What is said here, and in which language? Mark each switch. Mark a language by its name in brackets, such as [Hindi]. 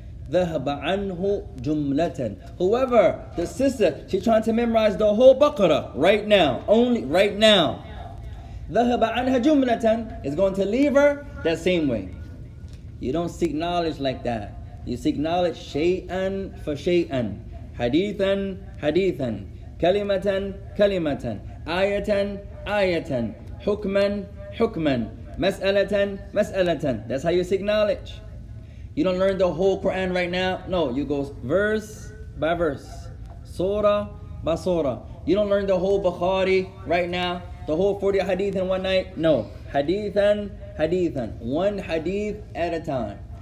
[Arabic] ذهب عنه جملة. [English] Whoever, the sister, she's trying to memorize the whole Baqarah right now, only right now. [Arabic] ذهب عنها جملة [English] is going to leave her that same way. You don't seek knowledge like that. You seek knowledge [Arabic] شيئاً فشيئاً, حديثاً حديثاً, كلمةً كلمةً, آيةً آيةً, حكماً حكماً, مسألةً مسألةً. [English] That's how you seek knowledge. You don't learn the whole Quran right now. No, you go verse by verse, surah by surah. You don't learn the whole Bukhari right now, the whole 40 hadith in one night. No, [Arabic] hadithan, hadithan, [English] one hadith at a time.